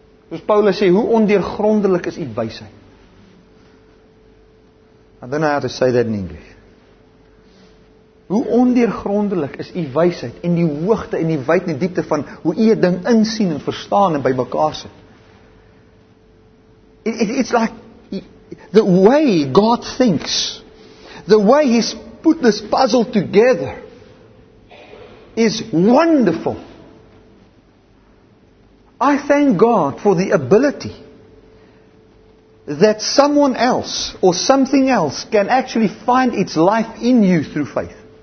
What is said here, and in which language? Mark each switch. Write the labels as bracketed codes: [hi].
[af] Soos Paulus sê, hoe ondeurgrondelik is u wysheid? [en] I don't know how to say that in English. [af] Hoe ondeurgrondelik is u wysheid en die hoogte en die wyd en die diepte van hoe u 'n ding insien en verstaan en by mekaar sit. [en] It's like the way God thinks, the way He's put this puzzle together is wonderful. I thank God for the ability that someone else or something else can actually find its life in you through faith.